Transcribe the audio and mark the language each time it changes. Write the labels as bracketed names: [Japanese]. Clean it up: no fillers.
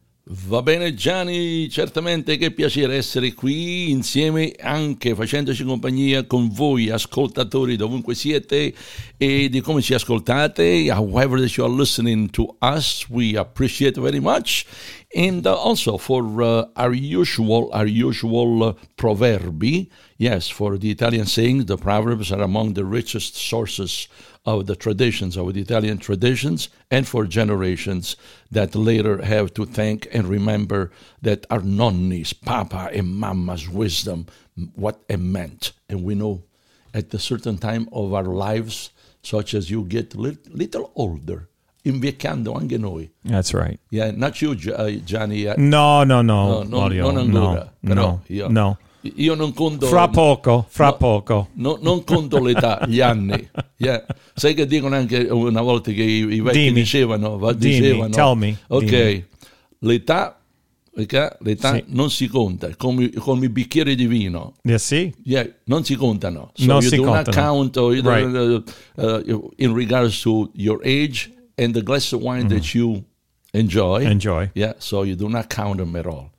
[Italian] Va bene Gianni, certamente che piacere essere qui insieme, anche facendoci compagnia con voi ascoltatori dovunque siete e di come ci ascoltate. [English] However that you are listening to us, we appreciate very much. And also for our usual proverbi, yes, for the Italian saying, the proverbs are among the richest sources of the traditions, of the Italian traditions, and for generations that later have to thank and remember that our nonnis, papa and mamma's wisdom, what it meant. And we know at a certain time of our lives, such as you get little older, [Italian] invecchiando anche noi. [English] That's right. Yeah, not you, Gianni. [Italian] No, Mario, non ancora. No. Io non conto fra poco. Non conto l'età, gli anni. [English] Yeah. [Italian] Sai che dicono anche una volta che i vecchi dicevano. [English] Tell me. [Italian] Ok. L'età sì. Non si conta, come i bicchieri di vino. [English] Yeah, [Italian] sì. [English] Yeah, [Italian] non si contano. [English] So [Italian] non si contano. [English] You do not count in regards to your age and the glass of wine that you enjoy. Enjoy. Yeah, so you do not count them at all.